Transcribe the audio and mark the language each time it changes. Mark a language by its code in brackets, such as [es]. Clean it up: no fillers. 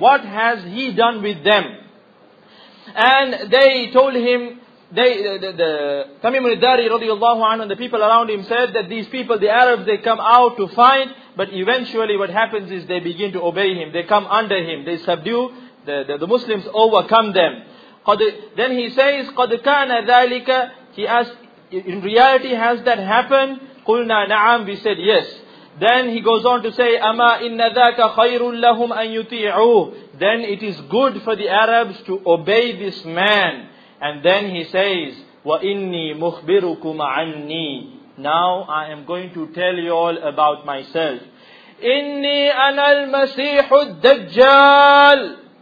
[en] What has he done with them? And they told him, Tamim al-Dari radiallahu anhu, the people around him said that these people, the Arabs, they come out to fight, but eventually what happens is they begin to obey him. They come under him. They subdue the Muslims, overcome them. Then he says, [ar] قَدْ كَانَ ذَلِكَ? [en] He asked, in reality, has that happened? [ar] قُلْنَا نَعَمْ. [en] We said, yes. Then he goes on to say, [ar] أَمَا إِنَّ ذَاكَ خَيْرٌ لَهُمْ أَن يُطِيعُوهُ. [en] Then it is good for the Arabs to obey this man. And then he says, [ar] وَإِنِّي مُخْبِرُكُمْ عَنِّي. [en] Now I am going to tell you all about myself. [ar] إِنِّي أَنَا الْمَسِيحُ الدَّجَّالُ.